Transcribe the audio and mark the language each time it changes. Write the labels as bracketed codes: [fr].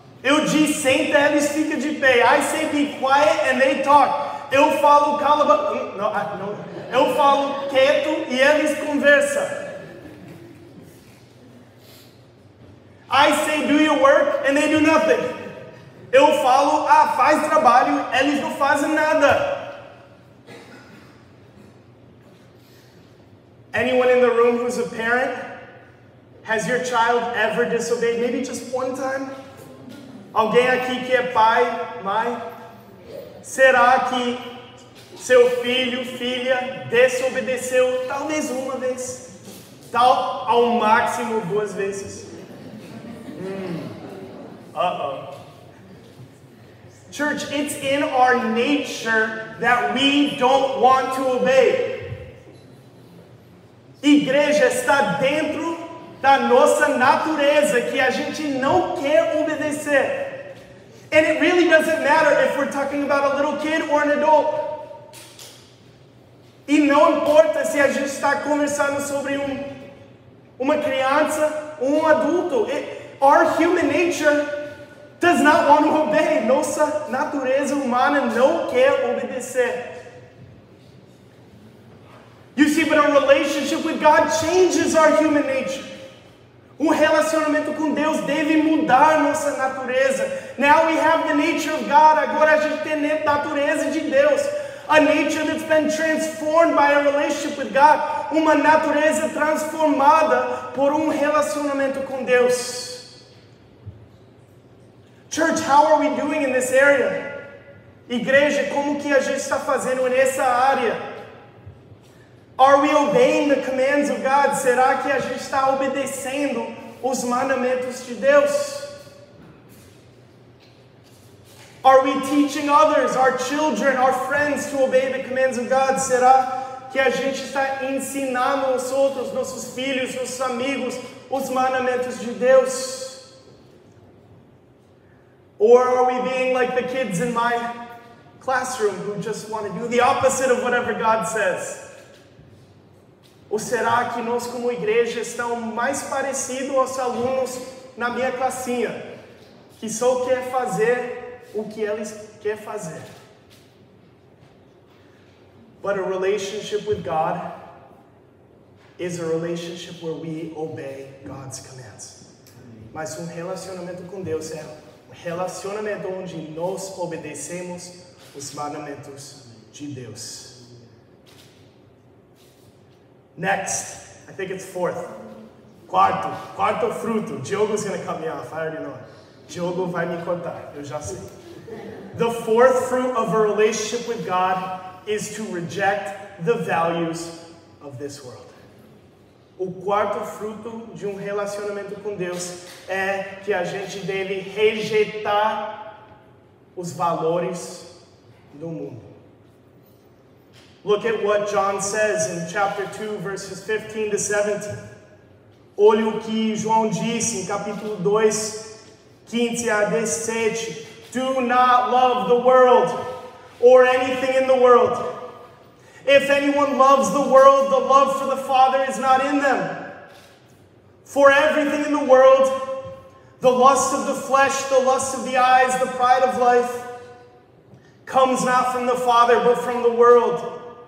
[pt] Eu disse, senta, eles ficam de pé. [en] I say, be quiet, and they talk. [pt] Eu falo, cala, não. Eu falo quieto e eles conversam. [en] I say, do your work, and they do nothing. [pt] Eu falo, ah, faz trabalho, eles não fazem nada. [en] Anyone in the room who's a parent, has your child ever disobeyed? Maybe just one time? [pt] Alguém aqui que é pai, mãe? Será que seu filho, filha, desobedeceu talvez uma vez? Tal, ao máximo duas vezes? [en] Church, it's in our nature that we don't want to obey. [pt] Igreja, está dentro da nossa natureza que a gente não quer obedecer. [en] And it really doesn't matter if we're talking about a little kid or an adult. [pt] E não importa se a gente está conversando sobre uma criança ou um adulto. [en] Our human nature does not want to obey. [pt] Nossa natureza humana não quer obedecer. [en] You see, but our relationship with God changes our human nature. [pt] O relacionamento com Deus deve mudar nossa natureza. [en] Now we have the nature of God. [pt] Agora a gente tem a natureza de Deus. [en] A nature that's been transformed by a relationship with God. [pt] Uma natureza transformada por relacionamento com Deus. [en] Church, how are we doing in this area? [pt] Igreja, como que a gente está fazendo nessa área? [en] Are we obeying the commands of God? [pt] Será que a gente está obedecendo os mandamentos de Deus? [en] Are we teaching others, our children, our friends, to obey the commands of God? [pt] Será que a gente está ensinando os outros, nossos filhos, nossos amigos, os mandamentos de Deus? [en] Or are we being like the kids in my classroom who just want to do the opposite of whatever God says? [pt] Ou será que nós como igreja estamos mais parecidos aos alunos na minha classinha, que só quer fazer o que eles querem fazer? [en] But a relationship with God is a relationship where we obey God's commands. [pt] Mas relacionamento com Deus é relacionamento onde nós obedecemos os mandamentos de Deus. [en] Next, I think it's fourth. [pt] Quarto fruto. [en] Diogo's going to cut me off. I already know it. [pt] Diogo vai me cortar. Eu já sei. [en] The fourth fruit of a relationship with God is to reject the values of this world. [pt] O quarto fruto de relacionamento com Deus é que a gente deve rejeitar os valores do mundo. [en] Look at what John says in chapter 2, verses 15 to 17. [pt] Olhe o que João disse em capítulo 2, 15 a 17. [en] Do not love the world or anything in the world. If anyone loves the world, the love for the Father is not in them. For everything in the world, the lust of the flesh, the lust of the eyes, the pride of life, comes not from the Father, but from the world.